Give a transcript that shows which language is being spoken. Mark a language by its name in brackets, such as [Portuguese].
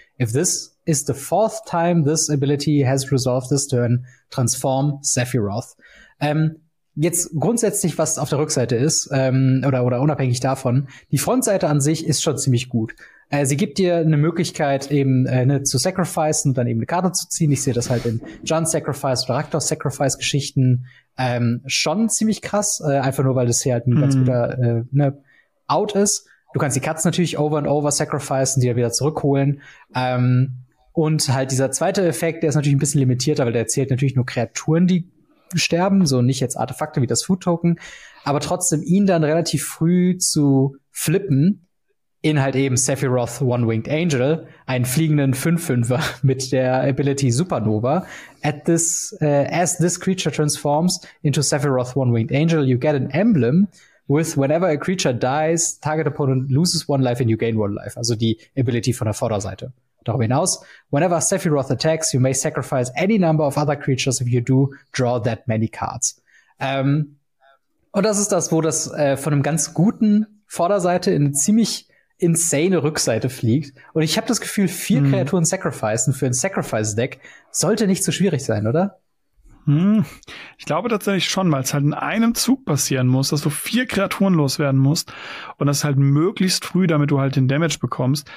[English] If this is the fourth time this ability has resolved this turn, transform Sephiroth. [German] Jetzt grundsätzlich, was auf der Rückseite ist, oder unabhängig davon, die Frontseite an sich ist schon ziemlich gut. Sie gibt dir eine Möglichkeit, eben zu sacrificen und dann eben eine Karte zu ziehen. Ich sehe das halt in Jund Sacrifice oder Rakdos Sacrifice Geschichten schon ziemlich krass. Einfach nur, weil das hier halt ein ganz guter Out ist. Du kannst die Katzen natürlich [English] over and over [German] sacrificen, die dann wieder zurückholen. Und halt dieser zweite Effekt, der ist natürlich ein bisschen limitierter, weil der zählt natürlich nur Kreaturen, die sterben, so nicht jetzt Artefakte wie das Food Token. Aber trotzdem ihn dann relativ früh zu flippen, in halt eben Sephiroth One Winged Angel, einen fliegenden 5-5er mit der Ability Supernova. [English] As this creature transforms into Sephiroth One Winged Angel, you get an emblem with whenever a creature dies, target opponent loses one life and you gain one life. [German] Also die Ability von der Vorderseite. Darüber hinaus, [English] whenever Sephiroth attacks, you may sacrifice any number of other creatures if you do draw that many cards. [German] Und das ist das, wo das von einem ganz guten Vorderseite in ziemlich insane Rückseite fliegt. Und ich habe das Gefühl, 4 Kreaturen sacrificen für ein Sacrifice-Deck sollte nicht so schwierig sein, oder? Ich glaube tatsächlich schon, weil es halt in einem Zug passieren muss, dass du 4 Kreaturen loswerden musst und das halt möglichst früh, damit du halt den Damage bekommst.